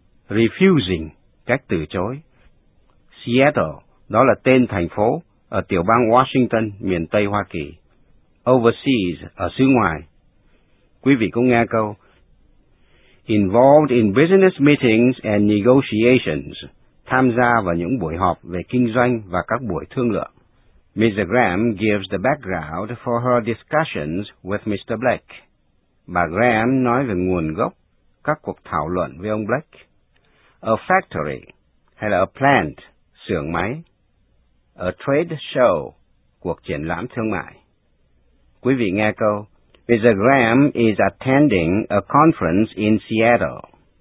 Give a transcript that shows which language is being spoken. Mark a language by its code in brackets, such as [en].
[vi] Refusing, cách từ chối. Seattle, đó là tên thành phố ở tiểu bang Washington, miền Tây Hoa Kỳ. Overseas, ở xứ ngoài. Quý vị cũng nghe câu. [en] Involved in business meetings and negotiations, [vi] tham gia vào những buổi họp về kinh doanh và các buổi thương lượng. [en] Ms. Graham gives the background for her discussions with Mr. Black. [vi] Bà Graham nói về nguồn gốc các cuộc thảo luận với ông Black. A factory, hay là a plant, xưởng máy. A trade show, cuộc triển lãm thương mại. Quý vị nghe câu. Ms. [en] Graham is attending a conference in Seattle.